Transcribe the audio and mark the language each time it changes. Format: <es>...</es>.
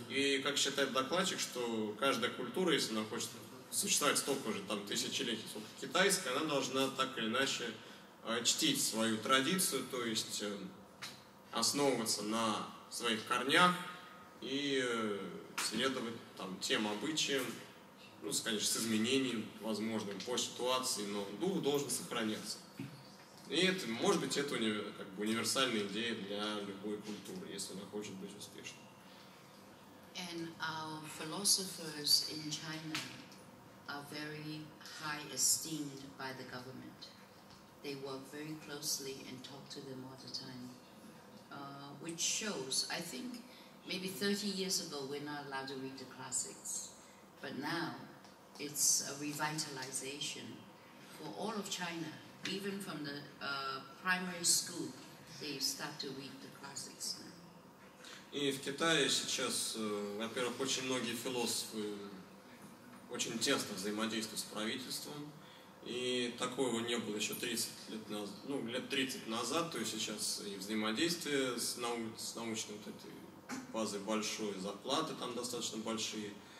<ru>И как считает докладчик, что каждая культура, если она хочет существовать столько же там тысячелетий, сколько китайская, она должна так или иначе чтить свою традицию, то есть основываться на своих корнях и следовать там тем обычаям, ну, конечно, с изменением возможным по ситуации, но дух должен сохраняться. И это, может быть, это как бы универсальная идея для любой культуры, если она хочет быть успешной.</ru> <en>And our philosophers in China are very high esteemed by the government. They work very closely and talk to them all the time, which shows, I think, maybe 30 years ago we're not allowed to read the classics, but now it's a revitalization for all of China. Even from the primary school, they start to read the classics now.</en> <ru>И в Китае сейчас, во-первых, очень многие философы очень тесно взаимодействует с правительством. И такого не было еще 30 лет назад. Ну, лет 30 назад, то есть сейчас и взаимодействие с научной вот этой базой большой, зарплаты там достаточно большие.</ru>